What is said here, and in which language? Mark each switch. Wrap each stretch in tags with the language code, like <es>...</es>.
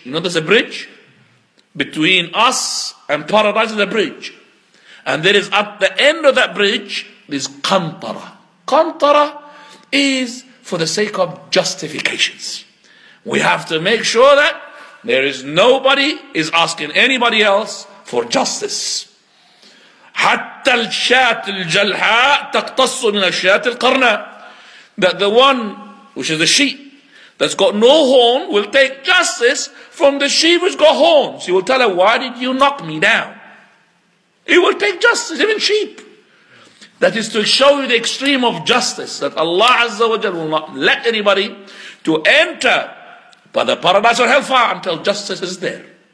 <en>You know there's a bridge? Between us and paradise is a bridge. And there is at the end of that bridge, this qantara. Qantara is for the sake of justifications. We have to make sure that there is nobody is asking anybody else for justice.</en> <ar>حتى الشاة الجلحاء تقتص من الشاة القرناء.</ar> <en>That the one which is the sheep that's got no horn will take justice from the sheep which got horns. He will tell her, why did you knock me down? He will take justice, even sheep. That is to show you the extreme of justice, that Allah Azza wa Jal will not let anybody to enter by the paradise or hellfire until justice is there.</en>